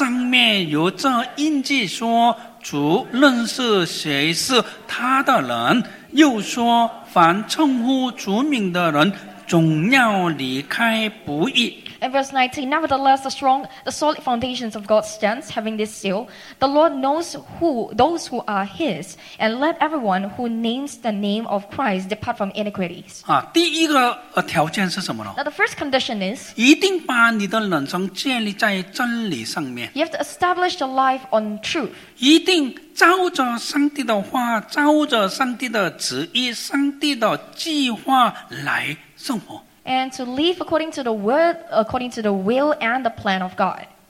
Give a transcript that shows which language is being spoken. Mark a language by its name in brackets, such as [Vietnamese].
[Chinese] 然而神坚固的根基立住了上面有这印记说 主认识谁是他的人，又说凡称呼主名的人，总要离开不义。 [English] And verse 19, Nevertheless, the strong, the solid foundations of God stands, having this seal. The Lord knows who those who are His, and let everyone who names the name of Christ depart from iniquities. [Chinese] 第一个条件是什么呢? [English] Now the first condition is, [Chinese] 一定把你的人生建立在真理上面。 [English] You have to establish your life on truth. [Chinese] 一定照着上帝的话, 照着上帝的旨意, 上帝的计划来生活。 [English] And to live according to the word, according to the will and the plan of God.